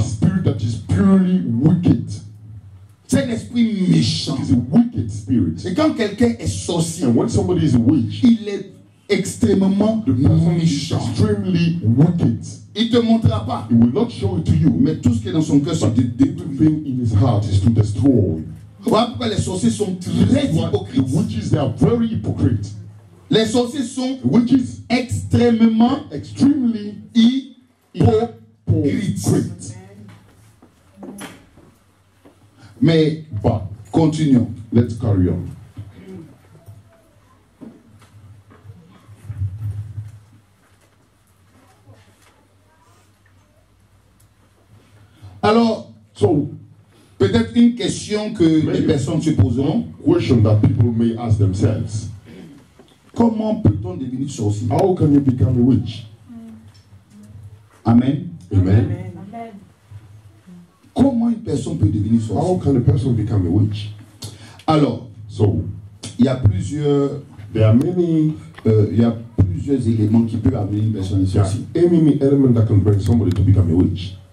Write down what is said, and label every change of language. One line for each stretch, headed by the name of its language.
English: A spirit that is purely wicked.
French: C'est un esprit méchant.
English: It's a wicked spirit.
French: Et quand quelqu'un est sorcier,
English: and when somebody is a witch,
French: il est extrêmement méchant.
English: Extremely wicked.
French: Il te montrera pas.
English: He will not show it to you.
French: Mais tout ce qui est dans son cœur,
English: but the deep thing in his heart is to destroy.
French: Voilà pourquoi les sorciers sont très hypocrites.
English: The witches, they are very hypocrite.
French: Les sorciers sont
English: witches,
French: extrêmement,
English: extremely
French: hypocrites. Mais
English: but,
French: continuons.
English: Let's carry on.
French: Alors,
English: so,
French: peut-être une question que les personnes se poseront.
English: Question that people may ask themselves.
French: Comment peut-on devenir sorcier?
English: How can you become a witch? Amen. Amen. Amen. Amen.
French: Comment une personne peut devenir sorcier?
English: How can a person become a witch?
French: Alors,
English: so,
French: il y a plusieurs,
English: there are many,
French: il y a plusieurs éléments qui peuvent amener une personne sorcier.
English: Many elements that can bring somebody to become a witch.